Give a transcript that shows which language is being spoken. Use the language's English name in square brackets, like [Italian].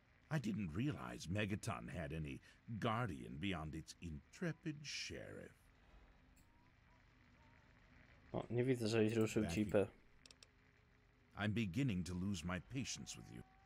[English] I didn't realize Megaton had any guardian beyond its intrepid sheriff. [Polish] O, nie widzę, żebyś ruszył cipę. [English] I'm beginning to lose my patience with you.